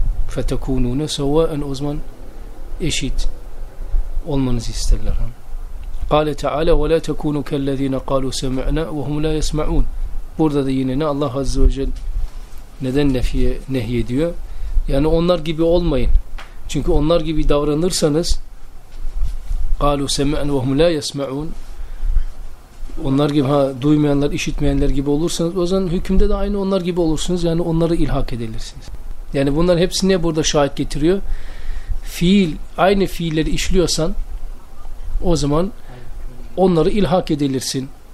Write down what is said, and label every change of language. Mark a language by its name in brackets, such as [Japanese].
[Arabic] فَتَكُونُونَ سَوَاءً. [Turkish] O zaman eşit olmanızı isterler. [Arabic] قَالَ تَعَالَى وَلَا تَكُونُوا كَالَّذ۪ينَ قَالُوا سَمِعْنَا وَهُمْ لَا يَسْمَعُونَ. [Turkish] Burada da yine ne? Allah Azze ve Celle neden nehy ediyor? Yani onlar gibi olmayın. Çünkü onlar gibi davranırsanız [Arabic] قَالُوا سَمِعْنَا وَهُمْ لَا يَسْمَعُونَ. [Turkish] Onlar gibi, ha, duymayanlar, işitmeyenler gibi olursanız o zaman hükümde de aynı onlar gibi olursunuz. Yani onları ilhak edilirsiniz. Yani bunların hepsi ne burada şahit getiriyor? Fiil, aynı fiilleri işliyorsan o zaman onları ilhak edilirsin.